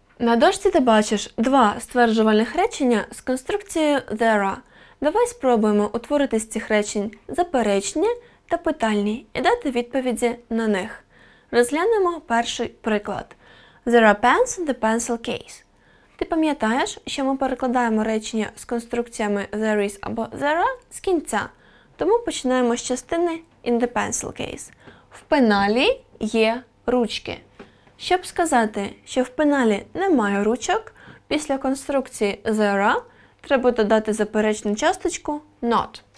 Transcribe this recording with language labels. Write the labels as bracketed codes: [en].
[uk] На дошці ти бачиш два стверджувальних речення з конструкцією there are. Давай спробуємо утворити з цих речень заперечення та питальні і дати відповіді на них. Розглянемо перший приклад. [en] There are pens in the pencil case. [uk] Ти пам'ятаєш, що ми перекладаємо речення з конструкціями there is або there are з кінця. Тому починаємо з частини [en] in the pencil case. [uk] В пеналі є ручки. Щоб сказати, що в пеналі немає ручок, після конструкції [en] there are [uk] треба додати заперечну часточку not.